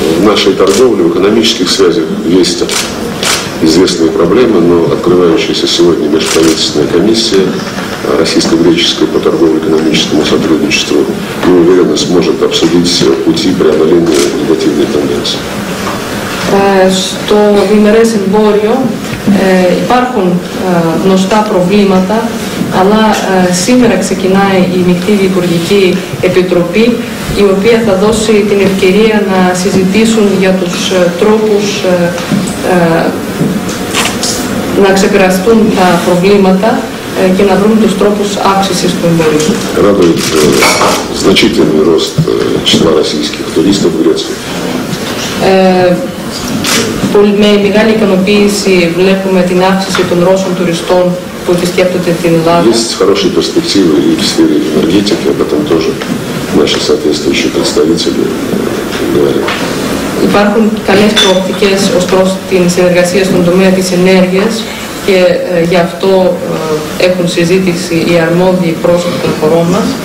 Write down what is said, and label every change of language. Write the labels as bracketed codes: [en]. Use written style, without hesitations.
[ru] Наши торговли, экономических связей есть известные проблемы, но открывающаяся сегодня межправительственная комиссия российско-греческая по торгово-экономическому сотрудничеству, мы уверены, сможет обсудить пути преодоления негативной тенденции. [el] Στο διμερές εμπόριο υπάρχουν γνωστά προβλήματα, αλλά σήμερα ξεκινάει η Μικτήβη Υπουργική Επιτροπή, η οποία θα δώσει την ευκαιρία να συζητήσουν για τους τρόπους να ξεπεραστούν τα προβλήματα και να βρουν τους τρόπους αύξησης του εμπορίου. [ru] Радует значительный рост числа российских туристов в Греции. [el] Με μεγάλη ικανοποίηση βλέπουμε την αύξηση των Ρώσων τουριστών που επισκέπτονται την Ελλάδα. [ru] Есть хорошие перспективы и в сфере энергетики, об этом тоже наши соответствующие представители говорят. [el] Υπάρχουν καλές προοπτικές ωστόσο την συνεργασία στον τομέα της ενέργειας και γι' αυτό έχουν συζήτηση οι αρμόδιοι πρόσωποι των χωρών μας.